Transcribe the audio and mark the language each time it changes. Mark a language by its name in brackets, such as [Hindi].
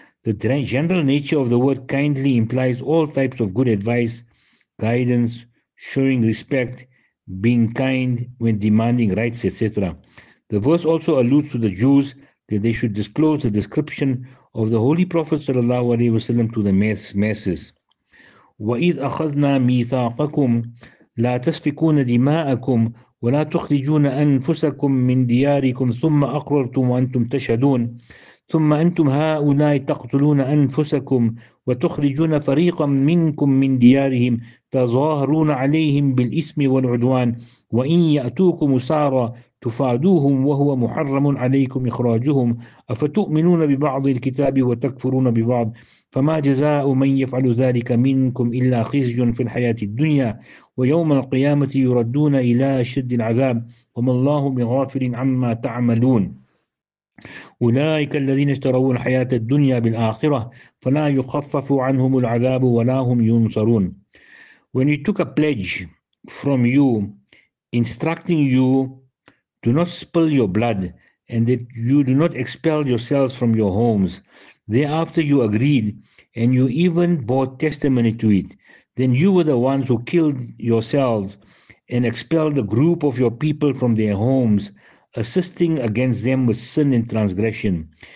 [English] The general nature of the word kindly implies all types of good advice, guidance, showing respect, being kind when demanding rights, etc. The verse also alludes to the Jews that they should disclose the description of the Holy Prophet sallallahu alaihi wasallam to the masses. [Arabic] وَإِذْ أَخَذْنَا مِيثَاقَكُمْ لَا تَسْفِكُونَ دِمَاءَكُمْ وَلَا تُخْرِجُونَ أَنفُسَكُمْ مِنْ دِيَارِكُمْ ثُمَّ أَقْرَرْتُمْ وَأَنْتُمْ تَشْهَدُونَ ثم أنتم هؤلاء تقتلون أنفسكم وتخرجون فريقا منكم من ديارهم تظاهرون عليهم بالإثم والعدوان وإن يأتوكم أسارى تفادوهم وهو محرم عليكم إخراجهم أفتؤمنون ببعض الكتاب وتكفرون ببعض فما جزاء من يفعل ذلك منكم إلا خزي في الحياة الدنيا ويوم القيامة يردون إلى أشد العذاب وما الله بغافل عما تعملون أولئك الذين اشتروا الحياة الدنيا بالآخرة فلا يخفف عنهم العذاب ولا هم ينصرون. [English] When you took a pledge from you instructing you to not spill your blood and that you do not expel yourselves from your homes, thereafter you agreed and you even bore testimony to it, then you were the ones who killed yourselves and expelled a group of your people from their homes, assisting against them with sin and transgression.